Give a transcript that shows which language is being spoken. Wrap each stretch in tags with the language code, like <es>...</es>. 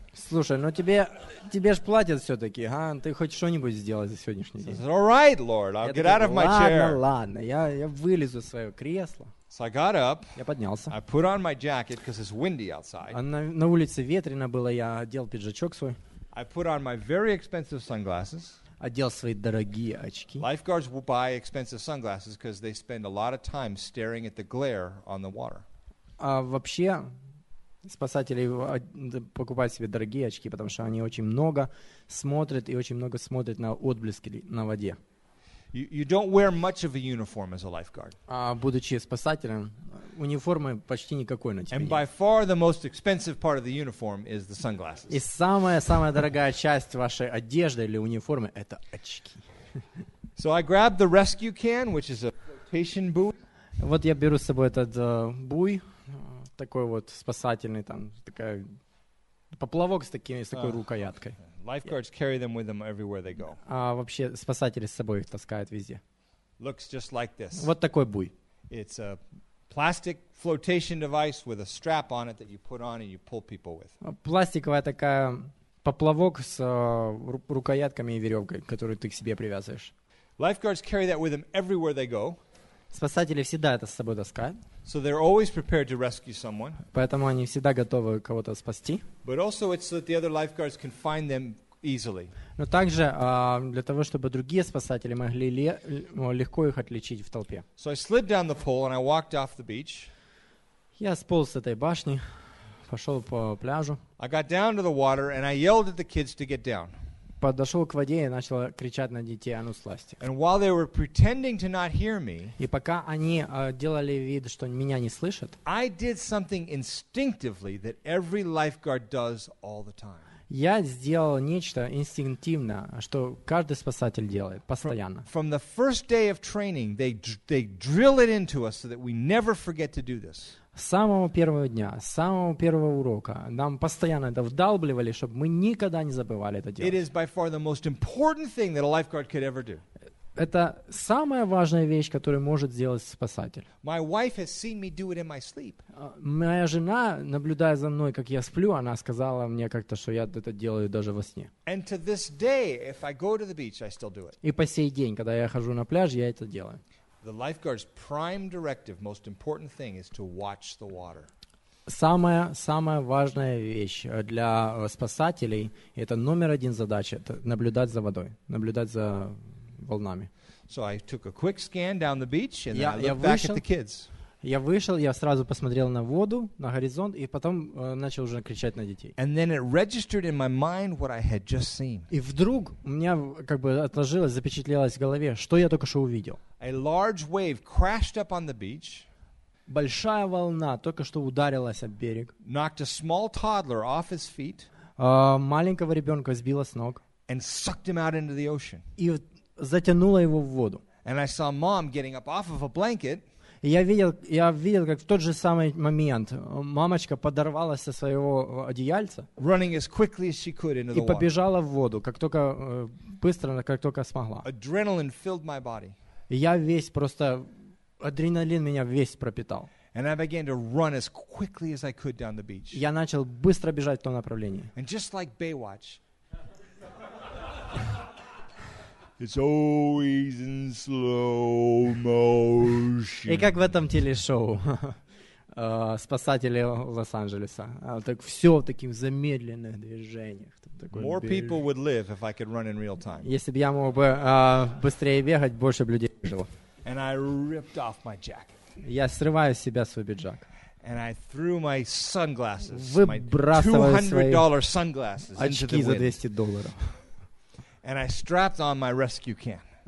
<ru>Слушай, но тебе ж платят все-таки, а? Ты хоть что-нибудь сделать за сегодняшний день?</ru> <en>He said, all right, Lord, I'll get out of my chair.</en> <ru>Ладно, я вылезу из своего кресла.</ru> <en>So I got up.</en> <ru>Я поднялся.</ru> <en>I put on my jacket because it's windy outside.</en> <ru>На улице ветрено было, я одел пиджачок свой.</ru> <en>I put on my very expensive sunglasses.</en> <ru>Одел свои дорогие очки.</ru> <en>Lifeguards will buy expensive sunglasses because they spend a lot of time staring at the glare on the water.</en> <ru>А вообще, спасатели покупают себе дорогие очки, потому что они очень много смотрят и очень много смотрят на отблески на воде.</ru> <en>You don't wear much of a uniform as a lifeguard.</en> <ru>А будучи спасателем, униформы почти никакой на тебе.</ru> <en>And by far the most expensive part of the uniform is the sunglasses.</en> <ru>И самая дорогая часть вашей одежды или униформы — это очки.</ru> <en>So I grab the rescue can, which is a flotation buoy.</en> <ru>Вот я беру с собой этот буй, такой вот спасательный, там такая поплавок с такой рукояткой.</ru> <en>Lifeguards carry them with them everywhere they go.</en> <ru>Вообще спасатели с собой их таскают везде.</ru> <en>Looks just like this.</en> <ru>Вот такой буй.</ru> <en>It's a plastic flotation device with a strap on it that you put on and you pull people with.</en> <ru>Пластиковая такая поплавок с рукоятками и веревкой, которую ты к себе привязываешь.</ru> <en>Lifeguards carry that with them everywhere they go.</en> <ru>Спасатели всегда это с собой таскают.</ru> <en>So they're always prepared to rescue someone.</en> <ru>Поэтому они всегда готовы кого-то спасти.</ru> <en>But also it's so that the other lifeguards can find them easily.</en> <ru>Но также для того, чтобы другие спасатели могли легко их отличить в толпе.</ru> <en>So I slid down the pole and I walked off the beach.</en> <ru>Я сполз с этой башни, пошел по пляжу.</ru> <en>I got down to the water and I yelled at the kids to get down.</en> <ru>Подошел к воде и начал кричать на детей: а ну слазьте.</ru> <en>And while they were pretending to not hear me,</en> <ru>и пока они делали вид, что меня не слышат,</ru> <en>I did something instinctively that every lifeguard does all the time.</en> <ru>Я сделал нечто инстинктивно, что каждый спасатель делает постоянно.</ru> <en>From the first day of training, they drill it into us so that we never forget to do this.</en> <ru>С самого первого дня, с самого первого урока нам постоянно это вдалбливали, чтобы мы никогда не забывали это делать.</ru> <en>It is by far the most important thing that a lifeguard could ever do.</en> <ru>Это самая важная вещь, которую может сделать спасатель.</ru> <en>My wife has seen me do it in my sleep.</en> <ru>Моя жена, наблюдая за мной, как я сплю, она сказала мне как-то, что я это делаю даже во сне.</ru> <en>And to this day, if I go to the beach, I still do it.</en> <ru>И по сей день, когда я хожу на пляж, я это делаю.</ru> <en>The lifeguard's prime directive, most important thing, is to watch the water.</en> <ru>Самая важная вещь для спасателей — это номер один задача — это наблюдать за водой, наблюдать за волнами.</ru> <en>So I took a quick scan down the beach and then I looked back at the kids.</en> <ru>Я вышел, я сразу посмотрел на воду, на горизонт, и потом начал уже кричать на детей.</ru> <en>And then it registered in my mind what I had just seen.</en> <ru>И вдруг у меня как бы отложилось, запечатлелось в голове, что я только что увидел.</ru> <en>A large wave crashed up on the beach.</en> <ru>Большая волна только что ударилась об берег.</ru> <en>Knocked a small toddler off his feet.</en> <ru>Маленького ребенка сбила с ног.</ru> <en>And sucked him out into the ocean.</en> <ru>И затянула его в воду.</ru> <en>And I saw mom getting up off of a blanket.</en> <ru>Я видел, как в тот же самый момент мамочка подорвалась со своего одеяльца</ru> <en>running as quickly as she could into the</en> <ru>и побежала в воду, как только быстро, как только смогла.</ru> <en>Adrenaline filled my body.</en> <ru>Я весь просто, адреналин меня весь пропитал.</ru> <en>And I began to run as quickly as I could down the beach.</en> <ru>Я начал быстро бежать в том направлении.</ru> <en>And just like Baywatch, it's always in slow motion.</en> <ru>И как в этом телешоу «Спасатели Лос-Анджелеса». Так все в таких замедленных движениях.</ru> <en>More people would live if I could run in real time.</en> <ru>Если бы я мог бы быстрее бегать, больше бы людей жило.</ru> <en>And I ripped off my jacket.</en> <ru>Я срываю с себя свой пиджак.</ru> <en>And I threw my sunglasses,</en> <ru>выбрасываю $200 свои</ru> <en>sunglasses</en> <ru>очки</ru> <en>into the</en> <ru>за $200.</ru> <en>And I strapped on my rescue can.</en>